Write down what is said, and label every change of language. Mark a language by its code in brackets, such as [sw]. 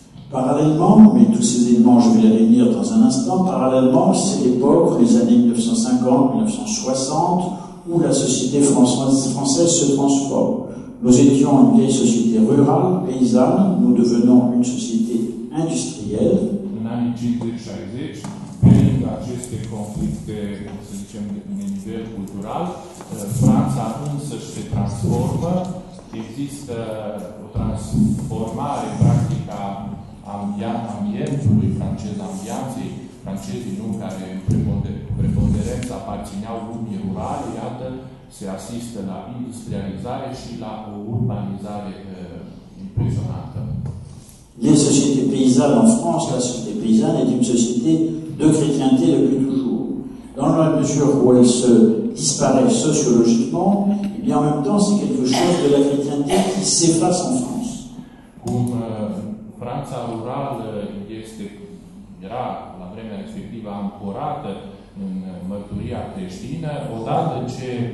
[fr] Parallèlement, mais tous ces éléments, je vais les réunir dans un instant, parallèlement, c'est l'époque, les années 1950-1960, où la société française se transforme. Nous étions une vieille société rurale, paysanne, nous devenons une société industrielle. [ro] În anii 50-60, pe lângă aceste conflicte, să zicem, de un nivel cultural, Franța însă se transformă, există o transformare practică a ambientului francez, ambianței, francezii nu, care în preponderență aparțineau lumii rurale, iată, se asistă la industrializare și la o urbanizare impresionantă. [fr] Les sociétés paysannes en France, la société paysanne est une société de chrétienté depuis toujours. Dans la mesure où elle se disparaît sociologiquement, et bien en même temps c'est quelque chose de la chrétienté qui s'efface en France. [ro] Cum Franța rurală este, era la vremea respectivă ancorată în mărturia creștină, odată ce